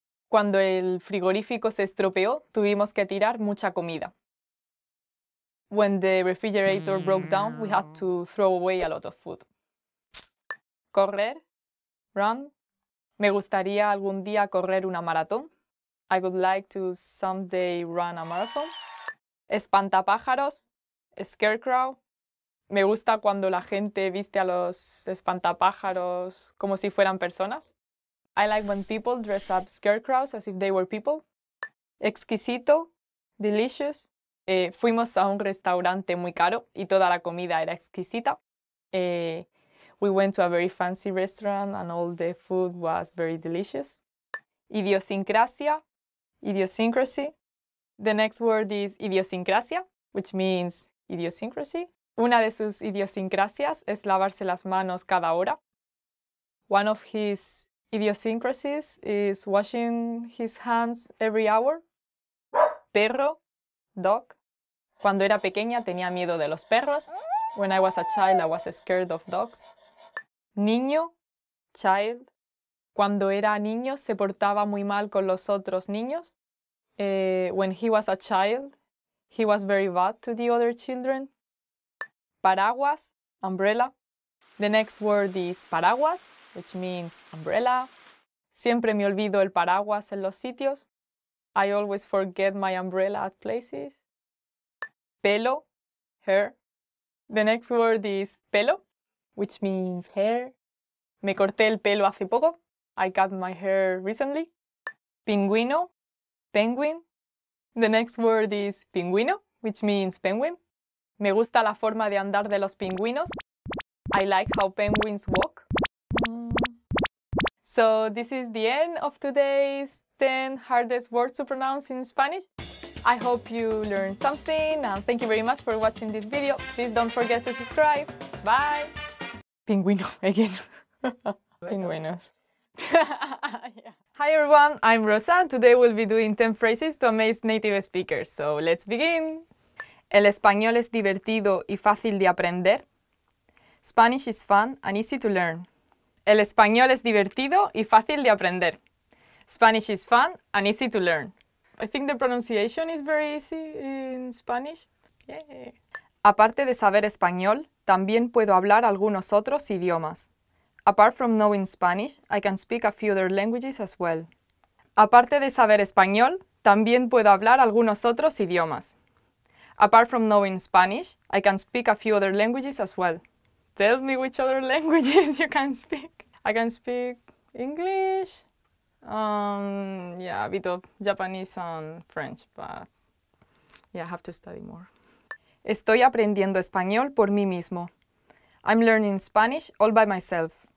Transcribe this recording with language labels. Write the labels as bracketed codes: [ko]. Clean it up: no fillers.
[es] Cuando el frigorífico se estropeó, tuvimos que tirar mucha comida. [en] When the refrigerator broke down, we had to throw away a lot of food. [es] Correr, run. Me gustaría algún día correr una maratón. [en] I would like to someday run a marathon. [es] Espantapájaros, scarecrow. Me gusta cuando la gente viste a los espantapájaros como si fueran personas. [en] I like when people dress up scarecrows as if they were people. [es] Exquisito, delicious. Fuimos a un restaurante muy caro y toda la comida era exquisita. [en] We went to a very fancy restaurant and all the food was very delicious. Idiosincrasia, idiosyncrasy. The next word is idiosincrasia, which means idiosyncrasy. [es] Una de sus idiosincrasias es lavarse las manos cada hora. [en] One of his idiosyncrasies is washing his hands every hour. [es] Perro, dog. Cuando era pequeña tenía miedo de los perros. [en] When I was a child, I was scared of dogs. [es] Niño, child. Cuando era niño, se portaba muy mal con los otros niños. [en] When he was a child, he was very bad to the other children. Paraguas, umbrella. The next word is paraguas, which means umbrella. [es] Siempre me olvido el paraguas en los sitios. [en] I always forget my umbrella at places. Pelo, hair. The next word is pelo, which means hair. [es] Me corté el pelo hace poco. [en] I cut my hair recently. Pingüino, penguin. The next word is pingüino, which means penguin. [es] Me gusta la forma de andar de los pingüinos. [en] I like how penguins walk. So this is the end of today's 10 hardest words to pronounce in Spanish. I hope you learned something, and thank you very much for watching this video. Please don't forget to subscribe. Bye! Pingüino again. Pingüinos. Hi everyone, I'm Rosa, and today we'll be doing 10 phrases to amaze native speakers. So let's begin. [es] El español es divertido y fácil de aprender. [en] Spanish is fun and easy to learn. [es] El español es divertido y fácil de aprender. [en] Spanish is fun and easy to learn. I think the pronunciation is very easy in Spanish. Yeah. [es] Aparte de saber español, también puedo hablar algunos otros idiomas. [en] Apart from knowing Spanish, I can speak a few other languages as well. [es] Aparte de saber español, también puedo hablar algunos otros idiomas. [en] Apart from knowing Spanish, I can speak a few other languages as well. Tell me which other languages you can speak. I can speak English. A bit of Japanese and French, but yeah, I have to study more. [es] Estoy aprendiendo español por mí mismo. [en] I'm learning Spanish all by myself.